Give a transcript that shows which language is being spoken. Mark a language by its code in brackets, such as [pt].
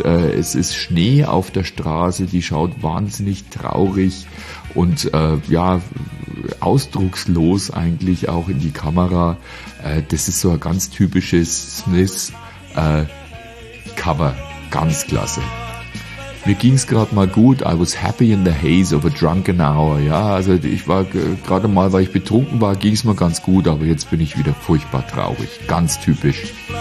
[de] Es ist Schnee auf der Straße, die schaut wahnsinnig traurig und ja, ausdruckslos eigentlich auch in die Kamera. Das ist so ein ganz typisches Smiths Cover, ganz klasse. Mir ging's gerade mal gut. [en] I was happy in the haze of a drunken hour. [de] Ja, also ich war gerade mal, weil ich betrunken war, ging's mir ganz gut, aber jetzt bin ich wieder furchtbar traurig. Ganz typisch.